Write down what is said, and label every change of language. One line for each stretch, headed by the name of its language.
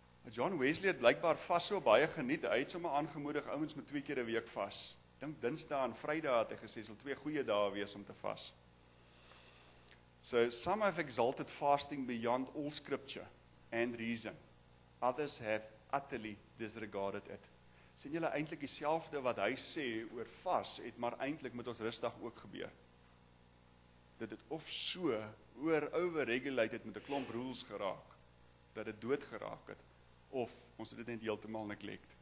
Afrikaans: John Wesley het blykbaar vas so baie geniet, hy het sommer aangemoedig, ouens met 2 keer 'n week vas. Dink Dinsdag en Vrydag het hy gesê, sal 2 goeie dae wees om te vas.
English: So, some have exalted fasting beyond all scripture and reason. Others have utterly disregarded it.
Afrikaans: Sien julle eintlik dieselfde wat hy sê oor vas, het maar eintlik met ons rustdag ook gebeur. Dit het of so oor overregulated met 'n klomp rules geraak, dat het dood geraak het, of ons het dit net heeltemal neglect.